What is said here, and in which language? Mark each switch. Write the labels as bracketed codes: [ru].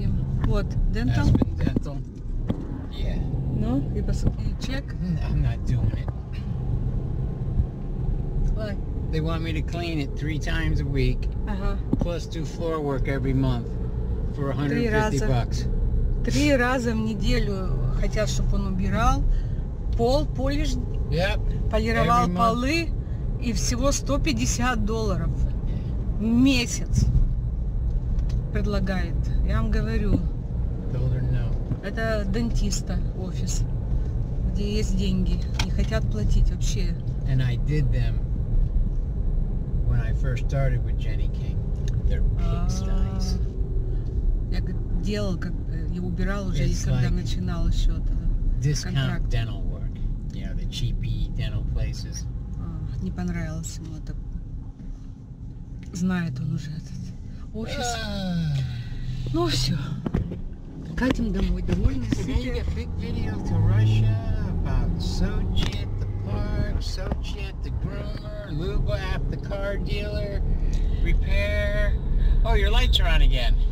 [ru] Ем. Вот, dental? [en] Aspen dental. Yeah. [ru] Ну, и посмотри, чек. [en] I'm not doing it. Why? They want me to clean it 3 times a week, uh-huh. Plus do floor work every month for $150. [ru] Три раза в неделю хотят, чтобы он убирал пол, полировал полы, и всего $150 в месяц предлагает. Я вам говорю, это дантиста офис, где есть деньги, не хотят платить вообще. [en] And I did them. When I first started with Jenny King, they're pigsties. [ru] Я делал, как я убирал уже, и когда начинал еще это. [en] Discount dental work, you know, the cheapy dental places. [ru] Не понравилось ему это. Знает он уже этот офис. Ну все, катим домой, довольны. [en] We made a big video to Russia about Sochi. Park, Sochi at the groomer, Luba at the car dealer, repair. Oh, your lights are on again.